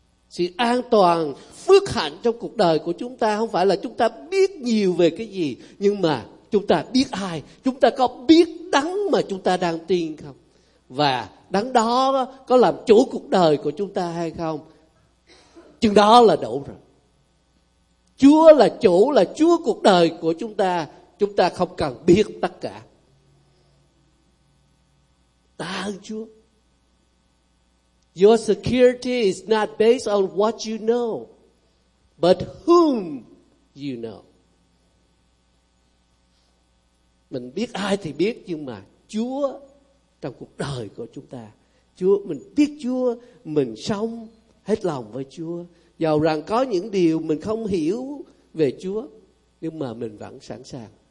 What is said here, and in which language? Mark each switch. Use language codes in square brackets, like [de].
[vi] Sự an toàn, phước hạnh trong cuộc đời của chúng ta không phải là chúng ta biết nhiều về cái gì, nhưng mà chúng ta biết ai, chúng ta có biết Đấng mà chúng ta đang tin không? Và Đấng đó có làm chủ cuộc đời của chúng ta hay không? Chừng đó là đủ rồi. Chúa là chủ, là Chúa cuộc đời của chúng ta. Chúng ta không cần biết tất cả. Tạ ơn Chúa. [en] Your security is not based on what you know, but whom you know. [vi] Mình biết ai thì biết, nhưng mà Chúa trong cuộc đời của chúng ta. Chúa, mình biết Chúa, mình sống hết lòng với Chúa. Dầu rằng có những điều mình không hiểu về Chúa, nhưng mà mình vẫn sẵn sàng.